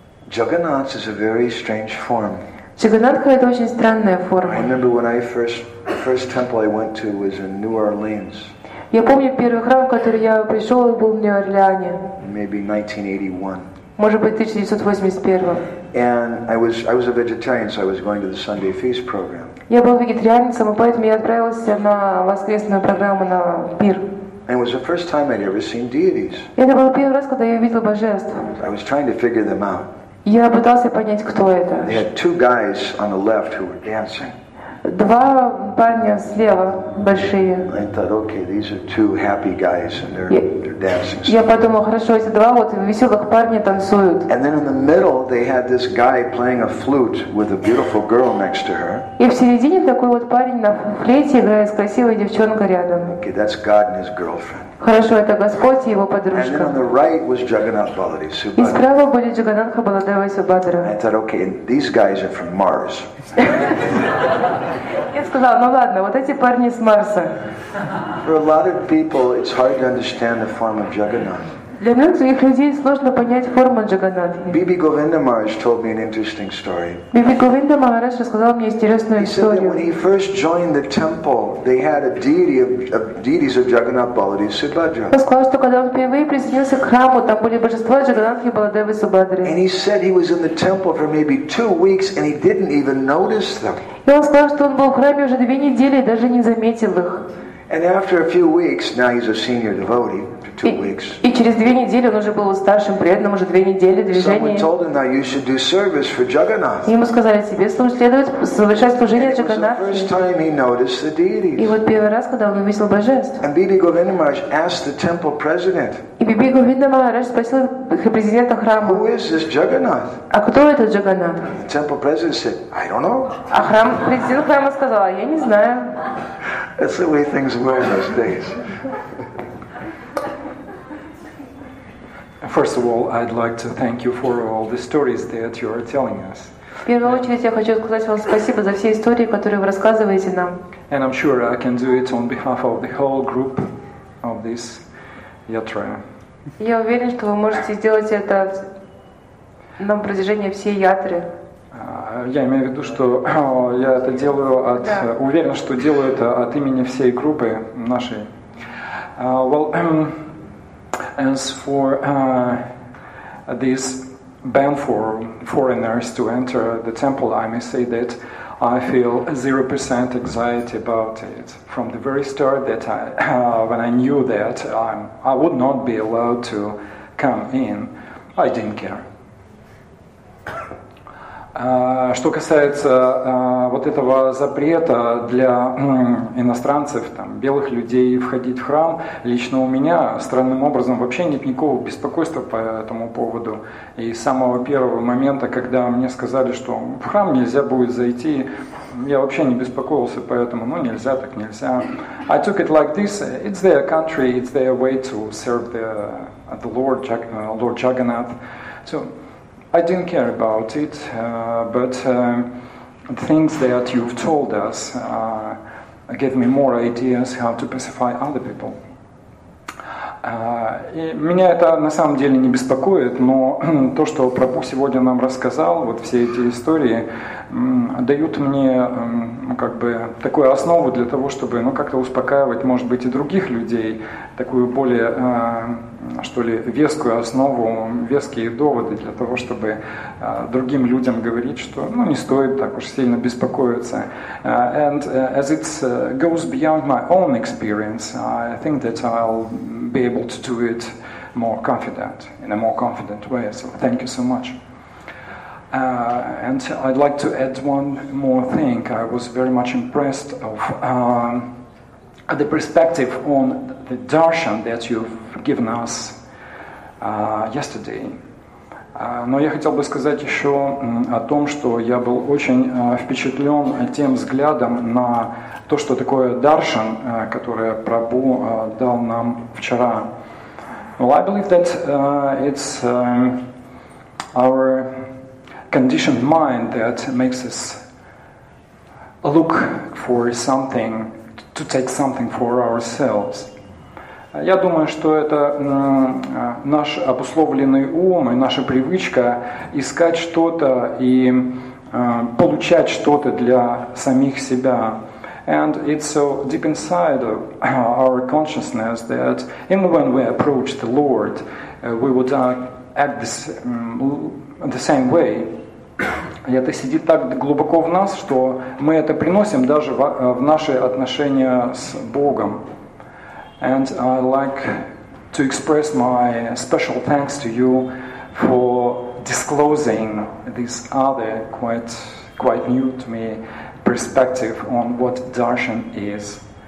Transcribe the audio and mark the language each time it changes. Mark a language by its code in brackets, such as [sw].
[en] Jagannath is a very strange form. [ru] Джаганнатха это очень странная форма. [en] I remember when I first temple I went to was in New Orleans. [ru] Я помню первый храм, в который я пришел, был в Нью-Орлеане. [en] Maybe 1981. [ru] Может быть, 1981. [en] And I was a vegetarian, so I was going to the Sunday feast program. [ru] Я был вегетарианцем, поэтому я отправился на воскресную программу на пир. [en] And it was the first time I'd ever seen deities. [ru] Это был первый раз, когда я видел божеств. [en] I was trying to figure them out. [ru] Я пытался понять, кто это. [en] They had two guys on the left who were dancing. [ru] Два парня слева большие. [en] I thought, okay, these are two happy guys and they're dancing. [ru] Я подумал, хорошо, эти два вот веселых парня танцуют. [en] And then in the middle they had this guy playing a flute with a beautiful girl next to her. [ru] И в середине такой вот парень на флейте играет с красивой девчонкой рядом. [en] Okay, that's God and his girlfriend. [ru] Хорошо, это Господь и его подружка. [en] And then on the right was Jagannath Baladev Subhadra. [ru] И справа были Джаганнатха Баладева и Субхадра. [en] I thought, okay, these guys are from Mars. [ru] Я сказал, ну ладно, вот эти парни с Марса. [en] For a lot of people, it's hard to understand the form of Jagannath. [ru] Для многих людей сложно понять форму Джаганнатхи. [en] Bibi Govinda Maharaj told me an interesting story. [ru] Bibi Govinda Maharaj рассказал мне интересную историю. [en] He said that when he first joined the temple, they had a deity of deities of Jagannath Baladev Subhadra. [ru] Он сказал, что когда он впервые присоединился к храму, там были божества Джаганнатхи Баладевы Субхадры. [en] And he said he was in the temple for maybe 2 weeks and he didn't even notice them. [ru] И он сказал, что он был в храме уже 2 недели и даже не заметил их. [en] And after a few weeks, now he's a senior devotee. After two weeks. [ru] И через две недели он уже был старшим преданным уже две недели движения. [en] Someone told him that you should do service for Jagannath. [ru] Ему сказали тебе следовать совершать служение Джаганнатху. [en] It was the first time he noticed the deities. [ru] И вот первый раз, когда он увидел божеств. [en] And Bibi Govinda Maharaj asked the temple president. [ru] И Бибі Говінда Махарадж спросил президента храму. [en] Who is this Jagannath? [ru] А кто этот Джаганнат? [en] The temple president said, I don't know. [ru] А храм президент храма сказал, я не знаю. [en] That's the way things were in those days. First of all, I'd like to thank you for all the stories that you are telling us. [ru] В первую очередь я хочу сказать вам спасибо за все истории, которые вы рассказываете нам. [en] And I'm sure I can do it on behalf of the whole group of this yatra. [ru] Я уверен, что вы можете сделать это на протяжении всей ятры. Я имею в виду, что я это делаю от, yeah. Уверен, что делаю это от имени всей группы нашей. [en] Well, as for this ban for foreigners to enter the temple, I may say that I feel 0% anxiety about it from the very start. That I, when I knew that I would not be allowed to come in, I didn't care. [ru] Что касается вот этого запрета для иностранцев, там, белых людей входить в храм, лично у меня странным образом вообще нет никакого беспокойства по этому поводу. И с самого первого момента, когда мне сказали, что в храм нельзя будет зайти, я вообще не беспокоился по этому, ну нельзя так нельзя. [en] I took it like this, it's their country, it's their way to serve the Lord, Lord Jagannath. So, I didn't care about it, but the things that you've told us gave me more ideas how to pacify other people. [ru] И меня это на самом деле не беспокоит, но то, что Прабху сегодня нам рассказал, вот все эти истории, дают мне как бы такую основу для того, чтобы ну, как-то успокаивать, может быть, и других людей, такую более, что ли, вескую основу, веские доводы для того, чтобы другим людям говорить, что ну, не стоит так уж сильно беспокоиться. [en] And as it goes beyond my own experience, I think that I'll be able to do it more confident, in a more confident way. So thank you so much. And I'd like to add one more thing. I was very much impressed of the perspective on the darshan that you've given us yesterday. [ru] Но я хотел бы сказать еще о том, что я был очень впечатлен тем взглядом на то, что такое даршан, которое Прабху дал нам вчера. [en] Well, I believe that it's our conditioned mind that makes us look for something, to take something for ourselves. [ru] Я думаю, что это наш обусловленный ум и наша привычка искать что-то и получать что-то для самих себя. [en] And it's so deep inside of our consciousness that even when we approach the Lord, we would act this, the same way. [ru] И это сидит так глубоко в нас, что мы это приносим даже в наши отношения с Богом. [en] And I like to express my special thanks to you for disclosing this other quite new to me perspective on what darshan is.